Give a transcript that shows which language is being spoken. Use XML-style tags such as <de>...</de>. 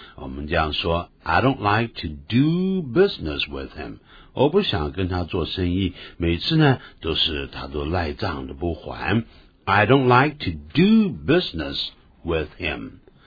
<zh>我们这样说</zh> <en>，I don't like to do business with him。</en> <zh>我不想跟他做生意，每次呢都是他都赖账的不还。</zh> <en>I don't like to do business with him。</en>